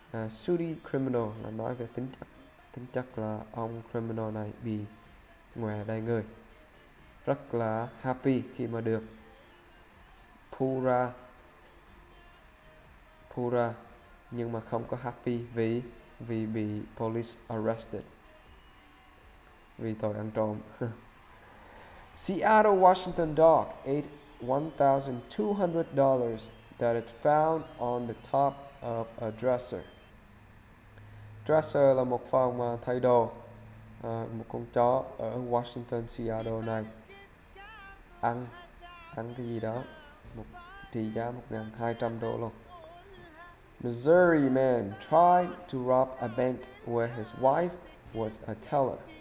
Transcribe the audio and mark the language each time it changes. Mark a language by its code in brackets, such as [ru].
[vi] Sooty criminal là nói về tính chất là ông criminal này bị ngòe đầy người. Rất là happy khi mà được pura, nhưng mà không có happy vì bị [en] police arrested [vi] vì tội ăn trộm. [en] Seattle Washington dog ate $1,200 that it found on the top of a dresser. [vi] Dresser là một phòng mà thay đồ, một con chó ở Washington, Seattle này ăn cái gì đó, một trị giá $1,200 luôn. [en] Missouri man tried to rob a bank where his wife was a teller.